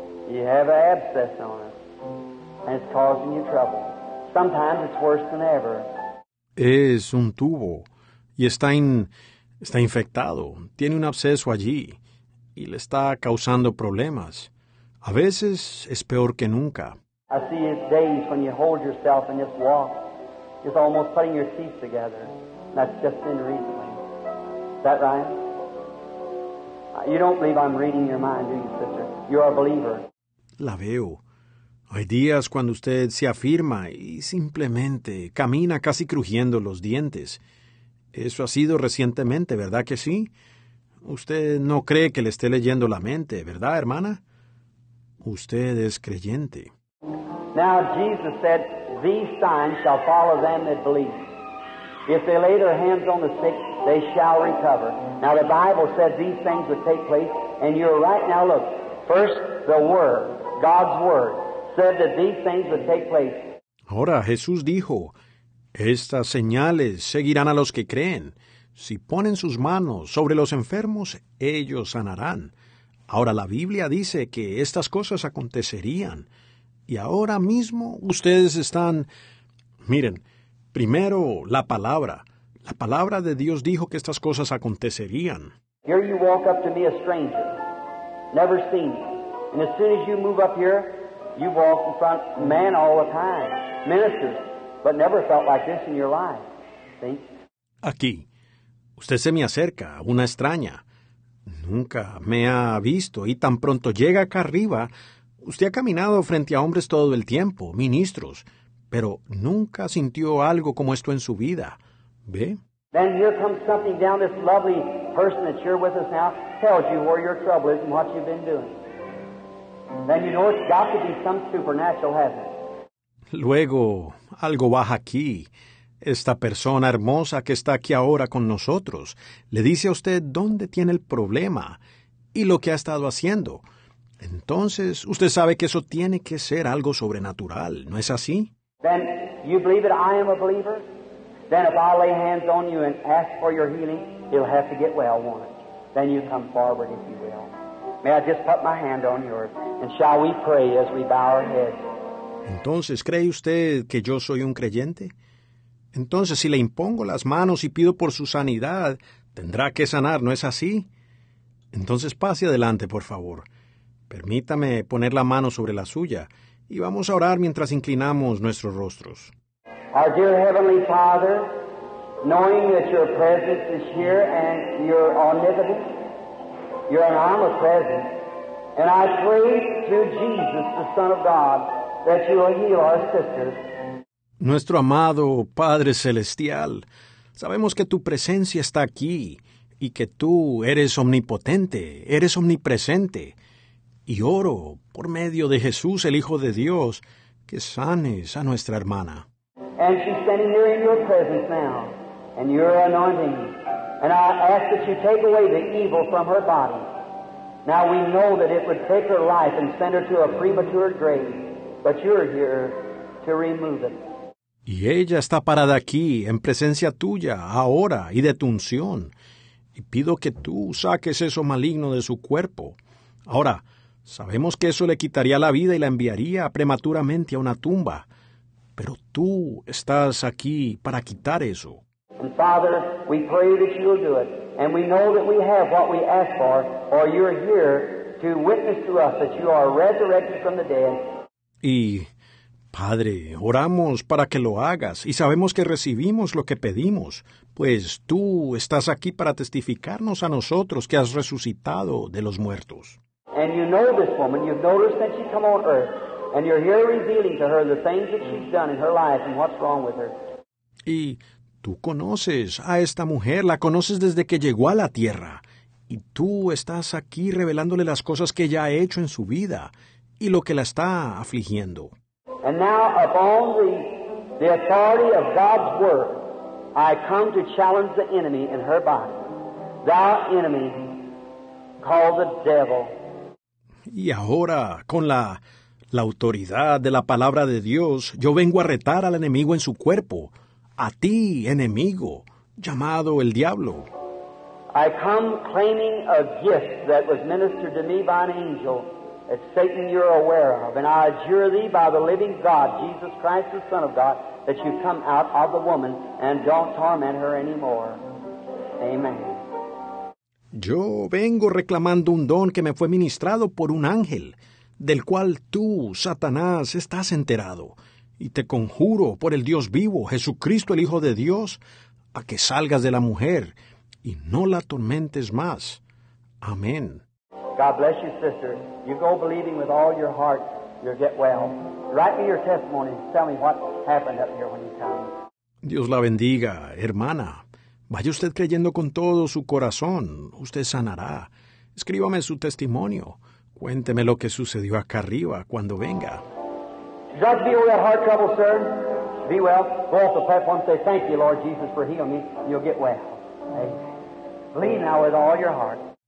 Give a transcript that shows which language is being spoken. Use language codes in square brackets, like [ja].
[en] You have an abscess on it, and it's causing you trouble. Sometimes it's worse than ever. [es] Es un tubo, y está infectado. Tiene un absceso allí, y le está causando problemas. A veces es peor que nunca. [en] I see it days when you hold yourself and just walk. You're almost putting your teeth together. That's just been recently. Is that right? You don't believe I'm reading your mind, do you, sister? You're a believer. [es] La veo. Hay días cuando usted se afirma y simplemente camina casi crujiendo los dientes. Eso ha sido recientemente, ¿verdad que sí? Usted no cree que le esté leyendo la mente, ¿verdad, hermana? Usted es creyente. [en] Now, Jesus said, these signs shall follow them that believe. If they lay their hands on the sick, they shall recover. Now, the Bible said these things would take place, and you're right now, look, first, the Word, God's Word, said that these things would take place. [es] Ahora, Jesús dijo, estas señales seguirán a los que creen. Si ponen sus manos sobre los enfermos, ellos sanarán. Ahora, la Biblia dice que estas cosas acontecerían. Y ahora mismo ustedes están... Miren, primero, la palabra. La palabra de Dios dijo que estas cosas acontecerían. [en] Here you walk up to me, a stranger, never seen you. And as soon as you move up here, you walk in front of men all the time, ministers, but never felt like this in your life. See? [es] Aquí. Usted se me acerca, una extraña. Nunca me ha visto y tan pronto llega acá arriba, usted ha caminado frente a hombres todo el tiempo, ministros, pero nunca sintió algo como esto en su vida. ¿Ve? [en] Then here comes something down, this lovely person that's here with us now tells you where your trouble is and what you've been doing. Then you know it's got to be some supernatural hazard. [es] Luego, algo baja aquí. Esta persona hermosa que está aquí ahora con nosotros le dice a usted dónde tiene el problema y lo que ha estado haciendo. Entonces, usted sabe que eso tiene que ser algo sobrenatural, ¿no es así? [en] Then you believe that I am a believer? Then if I lay hands on you and ask for your healing, you'll have to get well, won't it? Then you come forward if you will. May I just put my hand on yours and shall we pray as we bow our heads? [es] Entonces, ¿cree usted que yo soy un creyente? Entonces, si le impongo las manos y pido por su sanidad, tendrá que sanar, ¿no es así? Entonces, pase adelante, por favor. Permítame poner la mano sobre la suya y vamos a orar mientras inclinamos nuestros rostros. [en] Our dear Heavenly Father, knowing that your presence is here and you're omnipotent, you're an omnipresent, and I pray through Jesus, the Son of God, that you will heal our sisters. [es] Nuestro amado Padre Celestial, sabemos que tu presencia está aquí y que tú eres omnipotente, eres omnipresente. Y oro, por medio de Jesús, el Hijo de Dios, que sanes a nuestra hermana. [en] And she's standing here in your presence now, and you're anointing. And I ask that you take away the evil from her body. Now we know that it would take her life and send her to a premature grave, but you're here to remove it. [es] Y ella está parada aquí, en presencia tuya, ahora y de tu unción. Y pido que tú saques eso maligno de su cuerpo. Ahora, sabemos que eso le quitaría la vida y la enviaría prematuramente a una tumba. Pero tú estás aquí para quitar eso. [en] And Father, we pray that you'll do it. And we know that we have what we ask for, or you're here to witness to us that you are resurrected from the dead. [es] Y... Padre, oramos para que lo hagas y sabemos que recibimos lo que pedimos, pues tú estás aquí para testificarnos a nosotros que has resucitado de los muertos. [en] And you know this woman, you've noticed that she's come on earth, and you're here revealing to her the things that she's done in her life and what's wrong with her. [es] Y tú conoces a esta mujer, la conoces desde que llegó a la tierra, y tú estás aquí revelándole las cosas que ella ha hecho en su vida y lo que la está afligiendo. [en] And now, upon the authority of God's word, I come to challenge the enemy in her body. Thou enemy, called the devil. [es] Y ahora, con la autoridad de la palabra de Dios, yo vengo a retar al enemigo en su cuerpo. A ti, enemigo, llamado el diablo. [en] I come claiming a gift that was ministered to me by an angel. That Satan you're aware of, and I adjure thee by the living God, Jesus Christ, the Son of God, that you come out of the woman and don't torment her anymore. Amen. [es] Yo vengo reclamando un don que me fue ministrado por un ángel, del cual tú, Satanás, estás enterado, y te conjuro por el Dios vivo, Jesucristo, el Hijo de Dios, a que salgas de la mujer y no la atormentes más. Amén. [en] God bless you, sister. You go believing with all your heart, you'll get well. Write me your testimony and tell me what happened up here when you came. [es] Dios la bendiga, hermana. Vaya usted creyendo con todo su corazón. Usted sanará. Escríbame su testimonio. Cuénteme lo que sucedió acá arriba cuando venga. [en] Judge B, we had heart trouble, sir. Be well. Go off the platform and say, thank you, Lord Jesus, for healing me. You'll get well. Amen. Believe now with all your heart.